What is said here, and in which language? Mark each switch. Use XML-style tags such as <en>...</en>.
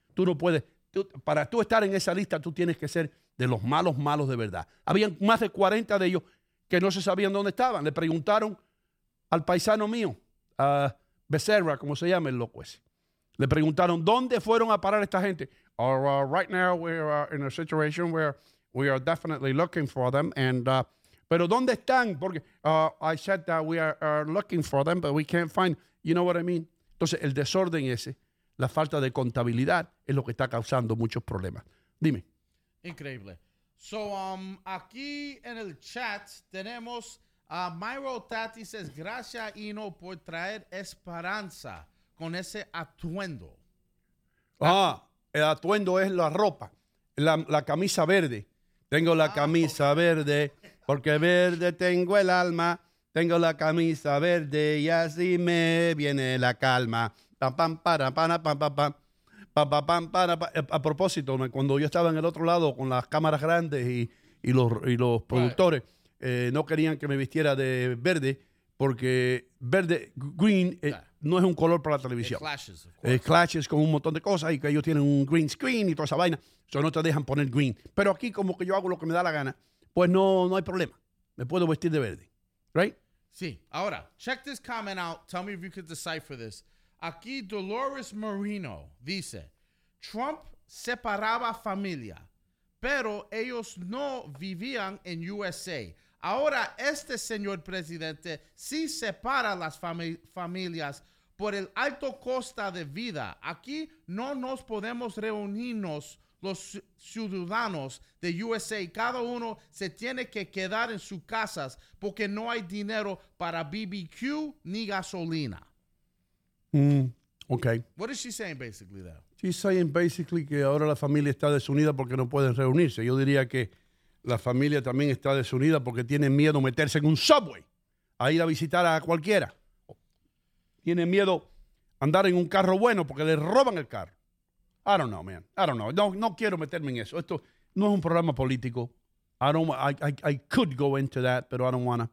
<es>Tú no puedes, para tú estar en esa lista, tú tienes que ser de los malos, malos de verdad. Habían más de 40 de ellos que no se sabían dónde estaban. Le preguntaron al paisano mío, a Becerra, como se llama el loco ese. Le preguntaron, ¿dónde fueron a parar esta gente?</es> <en>Right now we're in a situation where we are definitely looking for them.</en> <es>Pero ¿dónde están? Porque</es> <en>I said that we are looking for them, but we can't find, you know what I mean?</en> <es>Entonces, el desorden ese, la falta de contabilidad, es lo que está causando muchos problemas. Dime. Increíble. So, aquí en el chat tenemos a Myro Tati, says, gracias, Ino, por traer esperanza con ese atuendo. Ah, el atuendo es la ropa, la camisa verde. Tengo la camisa verde, porque verde tengo el alma. Tengo la camisa verde y así me viene la calma. Pam, pam, para, pam, pam, pam, pam. A propósito, cuando yo estaba en el otro lado con las cámaras grandes y los productores, right, no querían que me vistiera de verde, porque verde, green, no es un color para la televisión.</es> <en>It clashes,</en> <es>clashes con un montón de cosas, y que ellos tienen un green screen y toda esa vaina, so no te dejan poner green. Pero aquí como que yo hago lo que me da la gana, pues no hay problema, me puedo vestir de verde, right? Sí, ahora,</es> <en>check this comment out, tell me if you could decipher this.</en> <es>Aquí Dolores Marino dice, Trump separaba familia, pero ellos no vivían en USA. Ahora este señor presidente sí separa las familias por el alto costo de vida. Aquí no nos podemos reunirnos los ciudadanos de USA. Cada uno se tiene que quedar en sus casas porque no hay dinero para BBQ ni gasolina.</es> <en>Okay. What is she saying basically though? She's saying basically</en> <es>que ahora la familia está desunida porque no pueden reunirse. Yo diría que la familia también está desunida porque tiene miedo meterse en un subway a ir a visitar a cualquiera. Tiene miedo andar en un carro bueno porque le roban el carro.</es> <en>I don't know, man. I don't know.</en> <es>No quiero meterme en eso. Esto no es un programa político.</es> <en>I could go into that, but I don't wanna.</en>